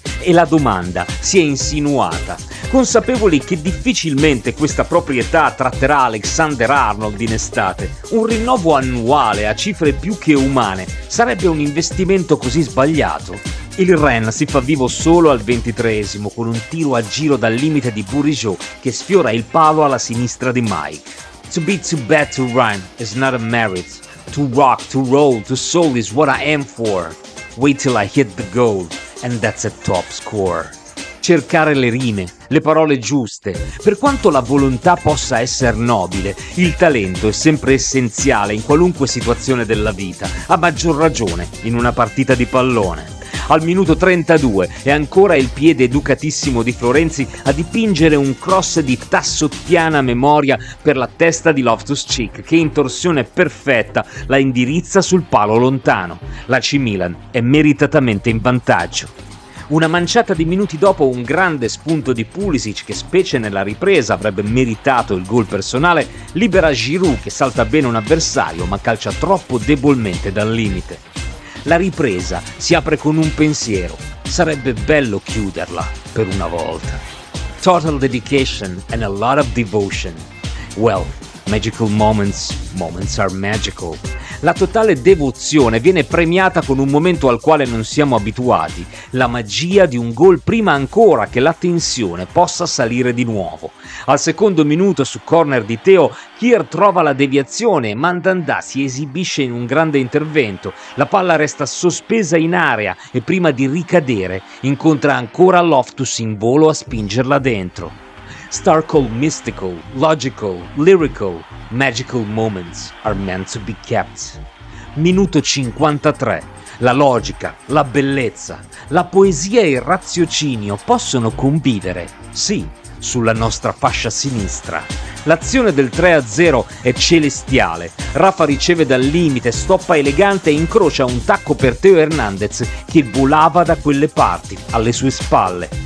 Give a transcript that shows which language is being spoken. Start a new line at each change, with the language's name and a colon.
Italian: E la domanda si è insinuata. Consapevoli che difficilmente questa proprietà tratterà Alexander-Arnold in estate, un rinnovo annuale a cifre più che umane sarebbe un investimento così sbagliato? Il Ren si fa vivo solo al 23esimo con un tiro a giro dal limite di Bourigeaud che sfiora il palo alla sinistra di Mike.
English: To be too bad to run is not a merit. To rock, to roll, to soul is what I am for. Wait till I hit the goal, and that's a top score.
Italian: Cercare le rime, le parole giuste. Per quanto la volontà possa essere nobile, il talento è sempre essenziale in qualunque situazione della vita, a maggior ragione in una partita di pallone. Al minuto 32 è ancora il piede educatissimo di Florenzi a dipingere un cross di tassottiana memoria per la testa di Loftus-Cheek che in torsione perfetta la indirizza sul palo lontano. L'AC Milan è meritatamente in vantaggio. Una manciata di minuti dopo un grande spunto di Pulisic che specie nella ripresa avrebbe meritato il gol personale libera Giroud che salta bene un avversario ma calcia troppo debolmente dal limite. La ripresa si apre con un pensiero. Sarebbe bello chiuderla per una volta.
English: Total dedication and a lot of devotion. Well, magical moments, moments are magical.
Italian: La totale devozione viene premiata con un momento al quale non siamo abituati. La magia di un gol prima ancora che la tensione possa salire di nuovo. Al secondo minuto su corner di Theo, Kier trova la deviazione e Mandanda si esibisce in un grande intervento. La palla resta sospesa in area e prima di ricadere incontra ancora Loftus in volo a spingerla dentro.
English: Starkle mystical, logical, lyrical, magical moments are meant to be kept.
Italian: Minuto 53. La logica, la bellezza, la poesia e il raziocinio possono convivere, sì, sulla nostra fascia sinistra. L'azione del 3-0 è celestiale. Rafa riceve dal limite, stoppa elegante e incrocia un tacco per Theo Hernandez che volava da quelle parti, alle sue spalle.